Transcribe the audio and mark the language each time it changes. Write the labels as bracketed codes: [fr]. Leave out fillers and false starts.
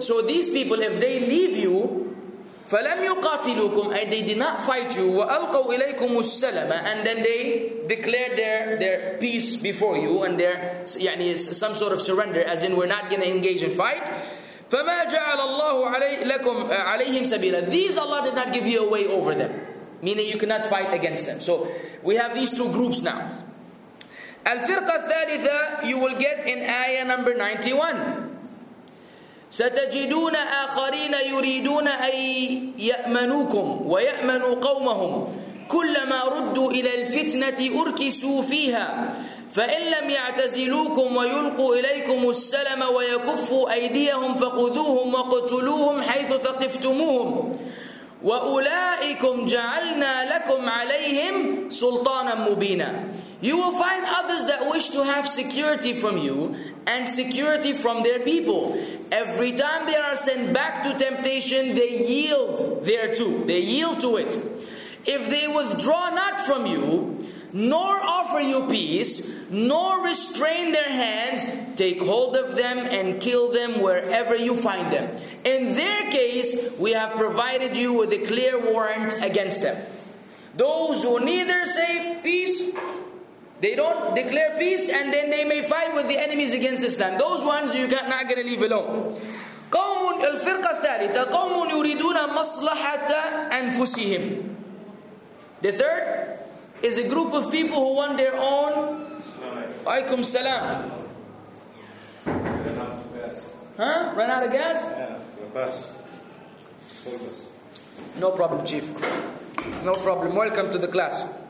[en] So these people, if they leave you, [ar] فَلَمْ يُقَاتِلُوكُمْ, [en] and they did not fight you, [ar] وَأَلْقَوْا إِلَيْكُمُ السَّلَمَ, [en] and then they declared their peace before you, and their يعني, some sort of surrender, as in we're not going to engage in fight. [ar] فَمَا جَعَلَ اللَّهُ لَكُمْ عَلَيْهِمْ سَبِيلًا. [en] These Allah did not give you a way over them, meaning you cannot fight against them. So we have these two groups now. [ar] الفرقة الثالثة, [en] you will get in ayah number 91. [ar] ستجدون آخرين يريدون أن يأمنوكم ويأمنوا قومهم كلما ردوا إلى الفتنة أركسوا فيها فإن لم يعتزلوكم ويلقوا إليكم السلم ويكفوا أيديهم فخذوهم وقتلوهم حيث ثقفتموهم وأولئكم جعلنا لكم عليهم سلطانا مبينا. [en] You will find others that wish to have security from you and security from their people. Every time they are sent back to temptation, they yield thereto. They yield to it. If they withdraw not from you, nor offer you peace, nor restrain their hands, take hold of them and kill them wherever you find them. In their case, we have provided you with a clear warrant against them. Those who neither say peace, they don't declare peace, and then they may fight with the enemies against Islam. Those ones you are not going to leave alone. [ar] قوم الفرقة الثالثة قوم يريدون مصلحة أنفسهم. [en] The third is a group of people who want their own. Aikum salam. Huh? Run out of gas? Yeah, bus. No problem, chief. No problem. Welcome to the class.